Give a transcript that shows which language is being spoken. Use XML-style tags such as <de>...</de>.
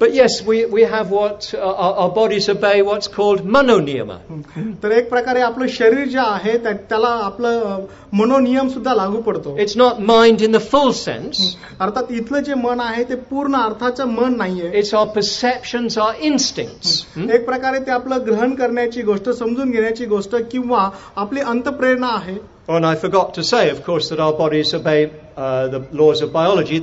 <en>But yes we have what our bodies obey what's called manoniyama.</en> <mr>तर एक प्रकारे आपलं शरीर जे आहे त्याला आपलं मनोनियम सुद्धा लागू पडतो.</mr> <en>It's not mind in the full sense.</en> <mr>अर्थात इथलं जे मन आहे ते पूर्ण अर्थाचं मन नाहीये.</mr> <en>It's our perceptions, our instincts.</en> <mr>एक प्रकारे ते आपलं ग्रहण करण्याची गोष्ट समजून घेण्याची गोष्ट किंवा आपली अंतप्रेरणा आहे.</mr> <en>And I forgot to say, of course, that our bodies obey the laws of biology.</en>